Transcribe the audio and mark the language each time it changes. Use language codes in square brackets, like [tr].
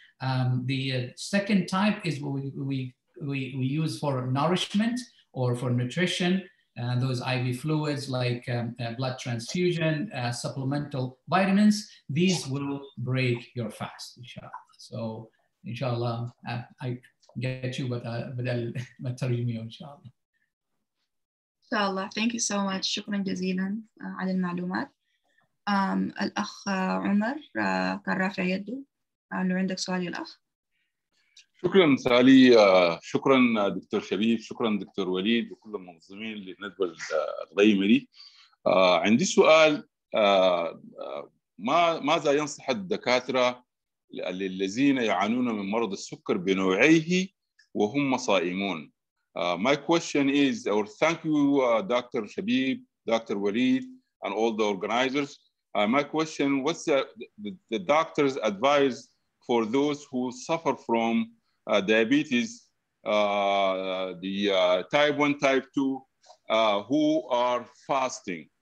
[en] The second type is what we use for nourishment or for nutrition, and those IV fluids like blood transfusion, supplemental vitamins. These will break your fast, inshallah. So inshallah, I get you, but I'll tarjim you, inshallah. Inshallah, thank you so much. [ar] Shukran jazilan على المعلومات. الأخ عمر كان رافع يده. عندك سؤال يا الأخ. شكرا سالي، شكرا دكتور شبيب، شكرا دكتور وليد وكل المنظمين للندوة القيمة لي. عندي سؤال، ماذا ينصح الدكاترة للذين يعانون من مرض السكر بنوعيه وهم صائمون؟ [en] My question is, or thank you Dr. Shabib, Dr. Waleed and all the organizers. My question, what's the doctor's advice for those who suffer from diabetes, the type 1, type 2, who are fasting?